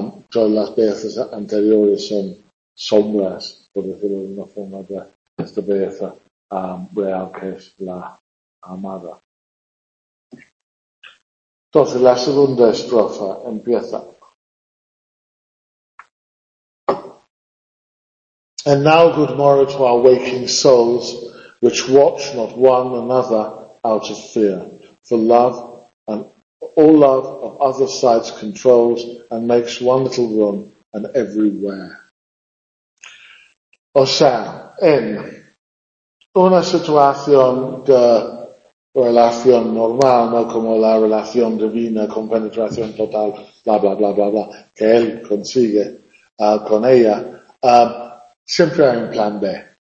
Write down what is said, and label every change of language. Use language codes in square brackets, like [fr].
[es] Todas las bellezas anteriores son sombras, por decirlo de una forma, de esta belleza real que es la amada. Entonces, la segunda estrofa empieza. [en] And now good morrow to our waking souls, which watch not one another out of fear, for love and all love of other sides controls and makes one little room and everywhere. [es] O sea, en una situación de relación normal, no como la relación divina con penetración total, bla bla bla bla bla, que él consigue con ella, siempre hay un plan B.